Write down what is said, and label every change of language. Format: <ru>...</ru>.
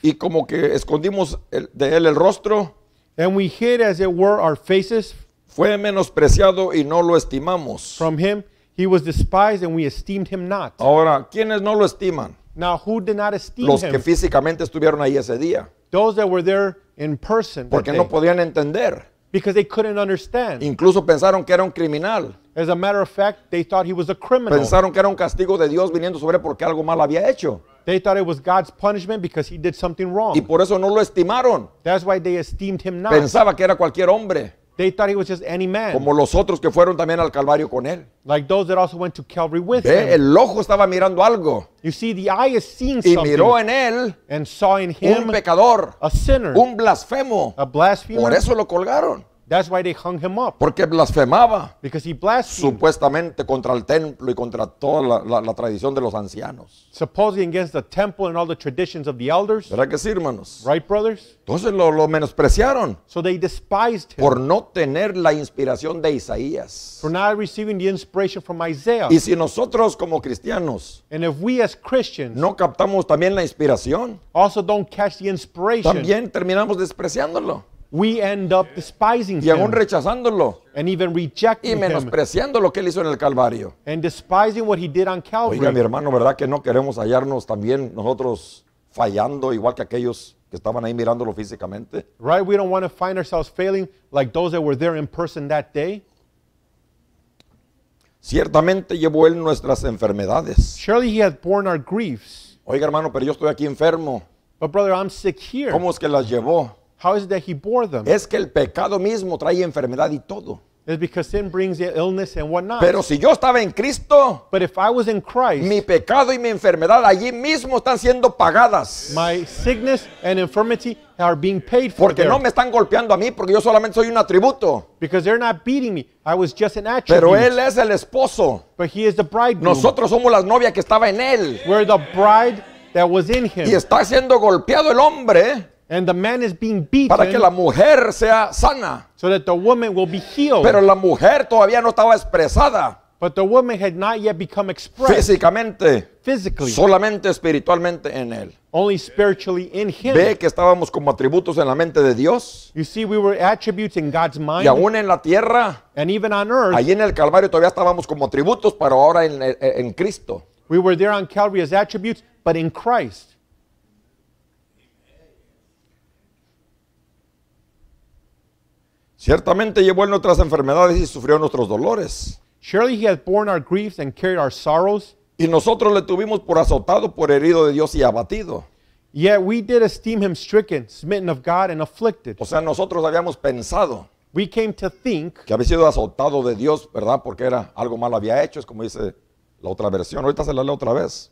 <es>Y como que escondimos de él el rostro.</es> <en>And we hid as it were our faces.</en> <es>Fue menospreciado y no lo estimamos.</es> <en>From him he was despised and we esteemed him not.</en> <es>Ahora, ¿quiénes no lo estiman?</es> <en>Now, who did not esteem</en> <es>los</es> <en>him?</en> <es>Que físicamente estuvieron ahí ese día.</es> <en>Those that were there in person.</en> <es>Porque</es> <en>that day.</en> <es>No podían entender.</es> <en>Because they couldn't understand.</en> <es>Incluso pensaron que era un criminal.</es> <en>As a matter of fact, they thought he was a criminal.</en> <es>Pensaron que era un castigo de Dios viniendo sobre él porque algo mal había hecho.</es> <en>They thought it was God's punishment because he did something wrong.</en> <es>Y por eso no lo estimaron.</es> <en>That's why they esteemed him not.</en> <es>Pensaba que era cualquier hombre.</es> <en>They thought he was just any man.</en> <es>Como los otros que fueron también al Calvario con él.</es> <en>Like those that also went to Calvary with</en> <es>ve,</es> <en>him.</en> <es>El ojo estaba mirando algo.</es> <en>You see, the eye is seeing something.</en> <es>Y miró en él.</es> <en>And saw in him.</en> <es>Un pecador.</es> <en>A sinner.</en> <es>Un blasfemo.</es> <en>A blasphemer.</en> <es>Por eso lo colgaron.</es> <en>That's why they hung him up.</en> <es>Porque blasfemaba.</es> <en>Because he blasphemed.</en> <es>Supuestamente contra el templo y contra toda la tradición de los ancianos.</es> <en>Supposedly against the temple and all the traditions of the elders.</en> <es>¿Verdad que sí, hermanos?</es> <en>Right, brothers?</en> <es>Entonces lo menospreciaron.</es> <en>So they despised him.</en> <es>Por no tener la inspiración de Isaías.</es> <en>For not receiving the inspiration from Isaiah.</en> <es>Y si nosotros como cristianos.</es> <en>And if we as Christians.</en> <es>No captamos también la inspiración.</es> <en>Also don't catch the inspiration.</en> <es>También terminamos despreciándolo.</es> <en>We end up despising</en> <es>y aún rechazándolo.</es> <en>And even rejecting him.</en> <es>Y menospreciando lo que él hizo en el Calvario.</es> <en>And despising what he did on Calvary.</en> <es>Oiga, mi hermano, ¿verdad que no queremos hallarnos también nosotros fallando igual que aquellos que estaban ahí mirándolo físicamente?</es> <en>Right, we don't want to find ourselves failing like those that were there in person that day.</en> <es>Ciertamente llevó él nuestras enfermedades.</es> <en>Surely he has borne our griefs.</en> <es>Oiga, hermano, pero yo estoy aquí enfermo.</es> <en>But brother, I'm sick here.</en> <es>¿Cómo es que las llevó?</es> <en>How is it that he bore them?</en> <es>Es que el pecado mismo trae enfermedad y todo.</es> <en>It's because sin brings illness and whatnot.</en> <es>Pero si yo estaba en Cristo,</es> <en>but if I was in Christ,</en> <es>mi pecado y mi enfermedad allí mismo están siendo pagadas.</es> <en>My sickness and infirmity are being paid for.</en> <es>Porque</es> <en>there.</en> <es>No me están golpeando a mí, porque yo solamente soy un atributo.</es> <en>Because they're not beating me. I was just an attribute.</en> <es>Pero él es el esposo.</es> <en>But he is the bridegroom.</en> <es>Nosotros somos las novias que estaba en él.</es> <en>We're the bride that was in him.</en> <es>Y está siendo golpeado el hombre.</es> <en>And the man is being beaten.</en> <es>Para que la mujer sea sana.</es> <en>So that the woman will be healed.</en> <es>Pero la mujer todavía no estaba expresada.</es> <en>But the woman had not yet become expressed.</en> <es>Físicamente.</es> <en>Physically.</en> <es>Solamente espiritualmente en él.</es> <en>Only spiritually in him.</en> <es>Ve que estábamos como atributos en la mente de Dios.</es> <en>You see, we were attributes in God's mind.</en> <es>Y aún en la tierra.</es> <en>And even on earth.</en> <es>Allí en el Calvario todavía estábamos como atributos, pero ahora en Cristo.</es> <en>We were there on Calvary as attributes, but in Christ.</en> <es>Ciertamente llevó él nuestras enfermedades y sufrió nuestros dolores.</es> <en>Surely he has borne our griefs and carried our sorrows.</en> <es>Y nosotros le tuvimos por azotado, por herido de Dios y abatido.</es> <en>Yet we did esteem him stricken, smitten of God and afflicted.</en> <es>O sea, nosotros habíamos pensado.</es> <en>We came to think.</en> <es>Que había sido azotado de Dios, ¿verdad? Porque era algo malo había hecho, es como dice la otra versión. Ahorita se la leo otra vez.</es>